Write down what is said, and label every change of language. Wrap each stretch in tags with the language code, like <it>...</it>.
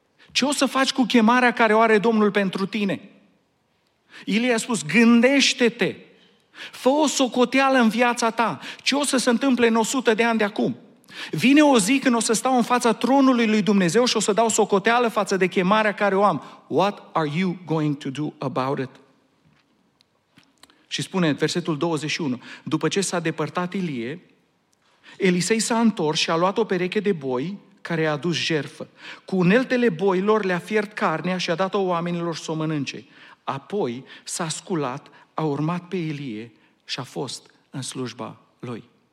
<ro>Ce o să faci cu chemarea care o are Domnul pentru tine? Ilie a spus, gândește-te. Fă o socoteală în viața ta. Ce o să se întâmple în 100 de ani de acum? Vine o zi când o să stau în fața tronului lui Dumnezeu și o să dau socoteală față de chemarea care o am.</ro> <en>What are you going to do about it?</en> <ro>Și spune versetul 21. După ce s-a depărtat Ilie, Elisei s-a întors și a luat o pereche de boi care i-a adus jertfă. Cu uneltele boilor le-a fiert carnea și a dat-o oamenilor să o mănânce. Apoi s-a sculat, a urmat pe Ilie și a fost în slujba lui.</ro>